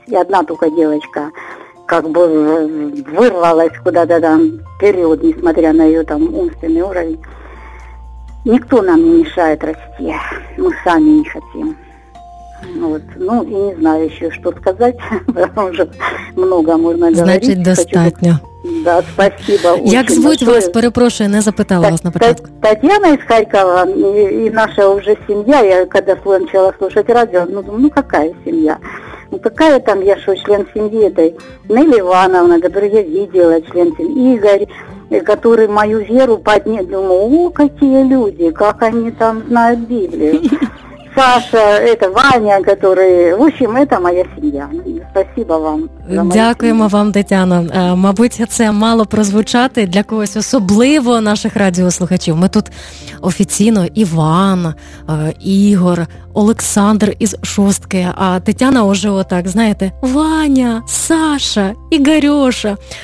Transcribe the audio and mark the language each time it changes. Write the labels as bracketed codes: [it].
[ru] И одна только девочка как бы вырвалась куда-то там вперед, несмотря на ее там умственный уровень. Никто нам не мешает расти, мы сами не хотим. Вот. Ну, и не знаю еще, что сказать, потому что много можно говорить. [uk] Значит, достатньо. [ru] Да, спасибо. [uk] Як звуть вас, перепрошую, не запитала вас на початку. [ru] Татьяна из Харькова, и наша уже семья, я когда начала слушать радио, ну какая семья? Ну, какая там, я что, член семьи этой? Нелли Ивановна, которую я видела, член семьи, Игорь, который мою веру поднял, думаю, о, какие люди, как они там знают Библию. Саша, это Ваня, который, в общем, это моя семья. Спасибо вам. [uk] Дякуємо вам, Тетяна. Мабуть, це мало прозвучати для когось, особливо наших радіослухачів. Ми тут офіційно Іван, Ігор, Олександр із шостки, а Тетяна уже отак, знаєте, Ваня, Саша, Ігорьоша.